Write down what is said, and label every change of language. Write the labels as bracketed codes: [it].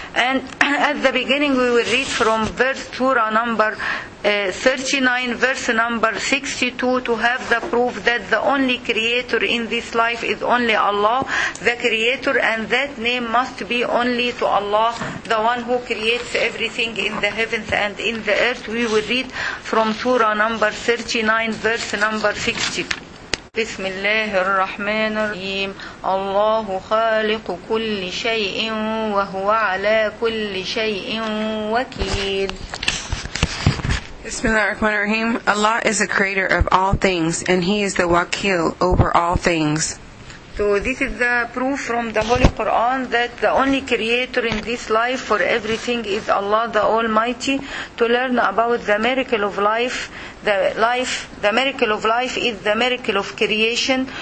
[en] And at the beginning we will read from verse surah number 39, verse number 62, to have the proof that the only creator in this life is only Allah, the creator, and that name must be only to Allah, the one who creates everything in the heavens and in the earth. We will read from surah number 39, verse number 62. [ar] بسم الله الرحمن الرحيم الله خالق كل شيء وهو على كل شيء وكيل. بسم الله الرحمن الرحيم. [en] Allah is the creator of all things and He is the wakil over all things. So this is the proof from the Holy Quran that the only creator in this life for everything is Allah the Almighty. To learn about the miracle of life, the miracle of life is the miracle of creation.